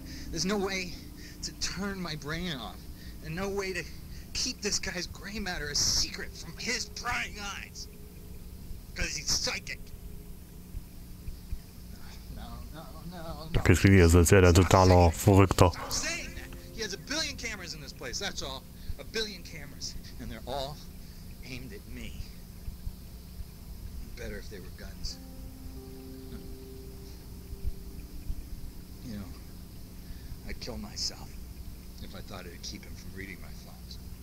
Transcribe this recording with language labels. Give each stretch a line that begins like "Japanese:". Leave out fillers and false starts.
English: There's no way to turn my brain off, and no way to keep this guy's gray matter a secret from his prying eyes, because he's psychic. No.
German: Okay, so das ist ja der totale Verrückte.
English: He has a billion cameras in this place, that's all. A billion cameras. And they're all aimed at me. Better if they were guns. You know, I'd kill myself if I thought it'd keep him from reading my thoughts.